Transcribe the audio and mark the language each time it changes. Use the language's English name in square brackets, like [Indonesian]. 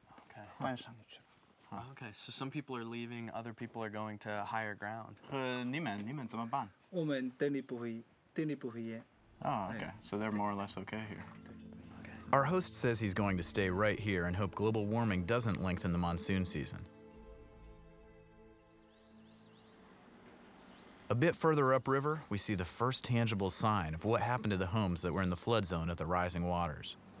[Chinese] 水涨了以后，那这里的人怎么办？已经搬迁了，不会淹的，就上后面。OK，搬上去了。OK, [English] so some people are leaving, other people are going to higher ground. [Chinese] 你们怎么办？我们等你不会淹。Oh, [English] OK, so they're more or less OK here. Our host says he's going to stay right here and hope global warming doesn't lengthen the monsoon season. A bit further upriver, we see the first tangible sign of what happened to the homes that were in the flood zone at the rising waters.